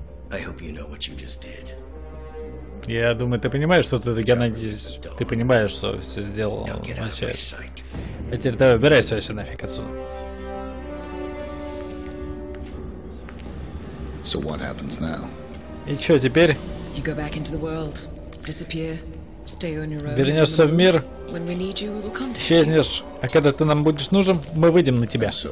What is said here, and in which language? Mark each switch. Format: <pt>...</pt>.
<en>I hope you know what you just did.</en> <ru>Я думаю, ты понимаешь, что ты, Геннадий, ты понимаешь, что все сделал. Значит, а теперь давай убирайся вообще нафиг отсюда.</ru> <en>So what happens now?</en> <ru>И что теперь?</ru> <en>You go back into the world, disappear, stay on your own.</en> <ru>Вернешься в мир,</ru> <en>When we need you, we will contact you.</en> <ru>Исчезнешь, а когда ты нам будешь нужен, мы выйдем на тебя.</ru>